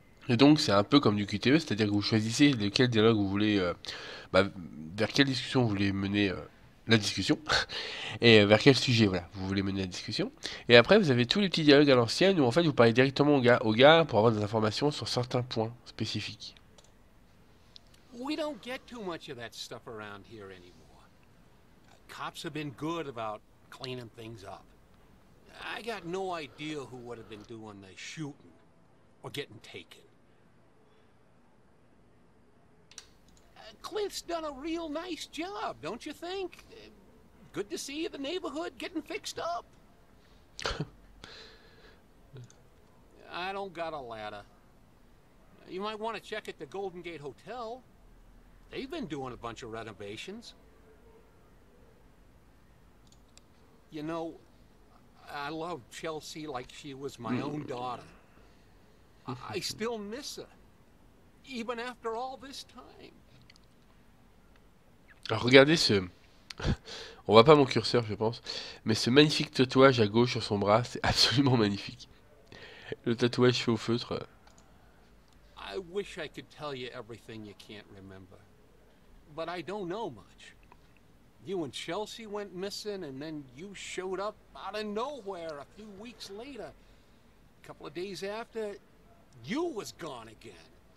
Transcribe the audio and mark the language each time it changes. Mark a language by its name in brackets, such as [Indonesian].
[French] Et donc, c'est un peu comme du QTE, c'est-à-dire que vous choisissez lequel dialogue vous voulez, vers quelle discussion vous voulez mener la discussion, et vers quel sujet, voilà, vous voulez mener la discussion. Et après, vous avez tous les petits dialogues à l'ancienne où en fait, vous parlez directement au gars pour avoir des informations sur certains points spécifiques. [English] We don't get too much of that stuff around here anymore. Cops have been good about cleaning things up. I got no idea who would have been doing the shooting or getting taken. Clint's done a real nice job, don't you think? Good to see the neighborhood getting fixed up. I don't got a ladder. You might want to check at the Golden Gate Hotel. They've been doing a bunch of renovations. You know, I love Chelsea like she was my own daughter. I still miss her, even after all this time. [French] Alors regardez ce... On voit pas mon curseur, je pense. Mais ce magnifique tatouage à gauche sur son bras, c'est absolument magnifique. Le tatouage fait au feutre. [English] I wish I could tell you everything you can't remember. But I don't know much. You and Chelsea went missing, and then you showed up out of nowhere a few weeks later. A couple of days after, you was gone again.